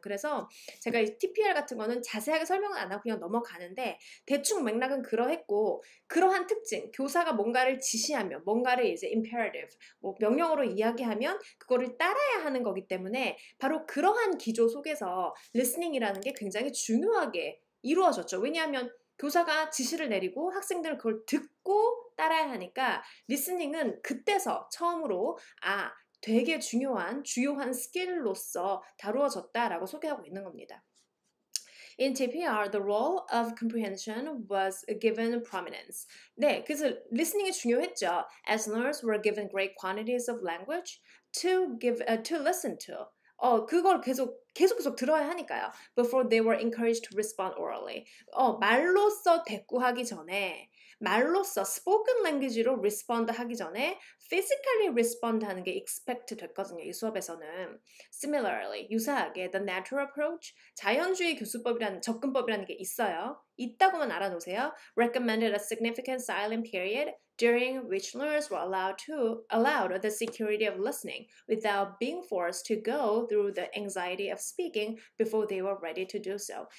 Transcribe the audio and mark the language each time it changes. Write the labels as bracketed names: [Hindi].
[Korean] 그래서 제가 이 TPR 같은 거는 자세하게 설명을 안 하고 그냥 넘어가는데 대충 맥락은 그러했고 그러한 특징, 교사가 뭔가를 지시하면 뭔가를 이제 imperative, 뭐 명령으로 이야기하면 그거를 따라야 하는 거기 때문에 바로 그러한 기조 속에서 리스닝이라는 게 굉장히 중요하게 이루어졌죠. 왜냐하면 교사가 지시를 내리고 학생들은 그걸 듣고 따라야 하니까 리스닝은 그때서 처음으로 아, 되게 중요한 주요한 스킬로서 다루어졌다라고 소개하고 있는 겁니다. [English] In TPR, the role of comprehension was given prominence. [Korean] 네, 그래서 리스닝이 중요했죠. [English] As learners were given great quantities of language to give to listen to. [Korean] 그걸 계속 들어야 하니까요. [English] Before they were encouraged to respond orally. [Korean] 말로써 대꾸하기 전에, 말로써 spoken language로 respond 하기 전에 physically respond 하는 게 expect 됐거든요. 이 수업에서는. Similarly, 유사하게 the natural approach, 자연주의 교수법이라는 접근법이라는 게 있어요. 있다고만 알아놓으세요. [English] Recommended a significant silent period during which learners were allowed the security of listening without being forced to go through the anxiety of speaking before they were ready to do so.